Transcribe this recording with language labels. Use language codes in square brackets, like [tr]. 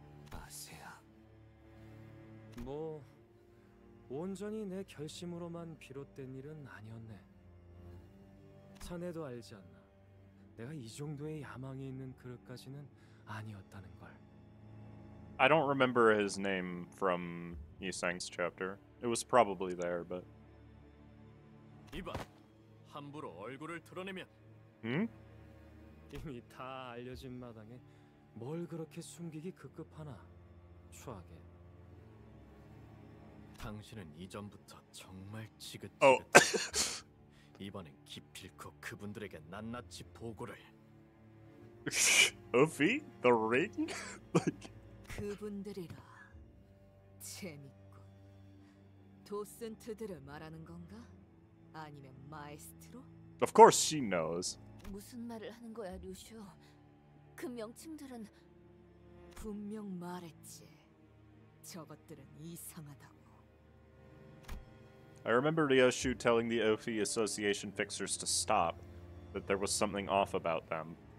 [ko] 아세야. 뭐 온전히 내 결심으로만 비롯된 일은 아니었네. 자네도 알지 않나. 내가 이 정도의 야망이 있는 그릇까지는 아니었다는 걸. [en] I don't remember his name from Yi-sang's chapter. It was probably there, but. [ko] 이봐, 함부로 얼굴을 드러내면. 응? 이미 다 알려진 마당에 뭘 그렇게 숨기기 급급하나. 추하게. 당신은 이전부터 정말 이번엔 기필코 그분들에게 낱낱이 보고를. [en] Uffy? The ring? Like. [ko] 그분들이라. 재밌군. 도슨트들을 말하는 건가? 아니면 마에스트로? [en] Of course she knows. [ko] 무슨 말을 하는 거야, 류슈? 그 명칭들은 분명 말했지. 저것들은 이상하다고. [en] I remember Ryoshu telling the Ophi Association fixers to stop, that there was something off about them.